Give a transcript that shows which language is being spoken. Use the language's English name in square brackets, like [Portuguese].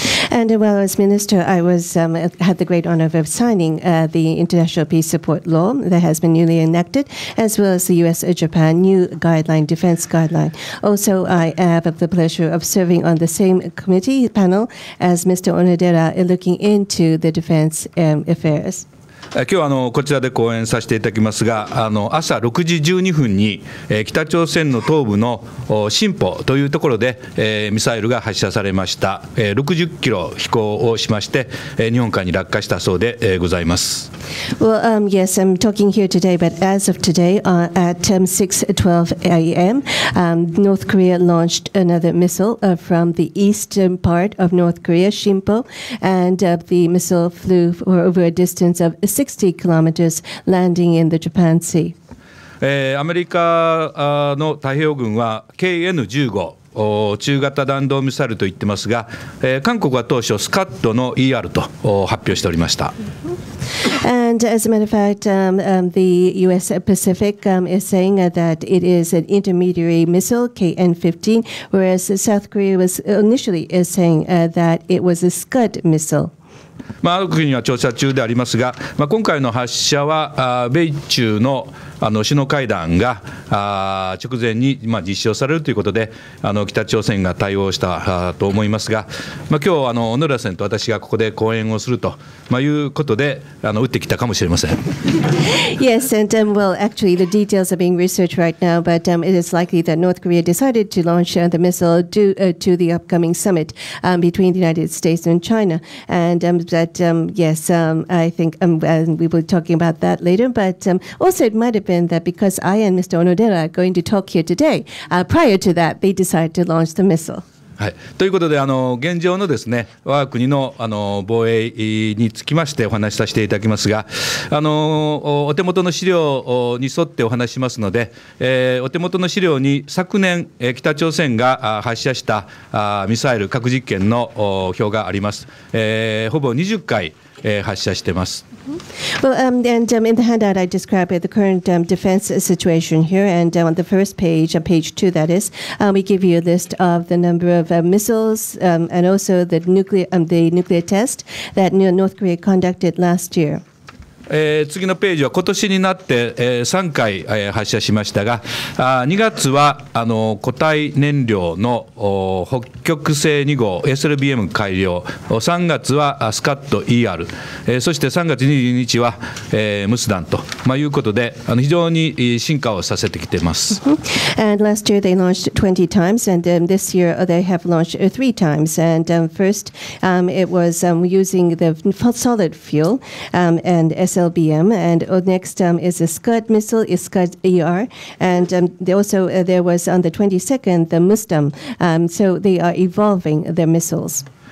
[English] And while I was minister, I was, had the great honor of signing the international peace support law that has been newly enacted, as well as the US-Japan new guideline, defense guideline. Also, I have the pleasure of serving on the same committee panel as Mr. 小野寺 looking into the defense affairs. [Japanese] 今日はこちらで講演させていただきますが、朝6時12分に北朝鮮の東部の新浦というところでミサイルが発射されました。 60キロ飛行をしまして日本海に落下したそうでございます。 [English] Well, yes, I'm talking here today, but as of today, at 6:12 a.m. North Korea launched another missile from the eastern part of North Korea, Shinpo, and the missile flew for over a distance of 60 kilometers, landing in the Japan Sea. [Japanese] アメリカの太平洋軍は KN-15 中型弾道ミサイルと言ってますが、韓国は当初スカッドの ER と発表しておりました。 [English] And as a matter of fact, the US Pacific is saying that it is an intermediary missile, KN-15, whereas South Korea was initially saying that it was a Scud missile. [Japanese] ある国は調査中でありますが、今回の発射は米中の首脳会談が直前に実施をされるということで、北朝鮮が対応したと思いますが、今日小野寺さんと私がここで講演をするということで打ってきたかもしれません。 [English] Yes, and well, actually the details are being researched right now, but it is likely that North Korea decided to launch the missile due to the upcoming summit between the United States and China, and that yes, I think we will be talking about that later, but also it might have been that because I and Mr. Onodera are going to talk here today, prior to that, they decided to launch the missile. [Japanese] はい、ということで現状のですね、我が国の防衛につきましてお話しさせていただきますが、お手元の資料に沿ってお話しますので、お手元の資料に昨年北朝鮮が発射したミサイル核実験の表があります。ほぼ20回発射しています。 [English] Well, and in the handout, I describe the current defense situation here. And on the first page, page two, that is, we give you a list of the number of missiles and also the nuclear test that North Korea conducted last year. [Japanese] 次のページは今年になって、3回、発射しましたが、2月は固体燃料の北極星2号 SLBM 改良、3月はスカット ER、そして3月22日は、ムスダンと、まあ、いうことで非常に進化をさせてきています。 [English] And last year they launched 20 times and this year they have launched 3 times and first it was using the solid fuel and SLBM, and next is a Scud missile, is Scud ER, and they also there was on the 22nd the Mustam, so they are evolving their missiles.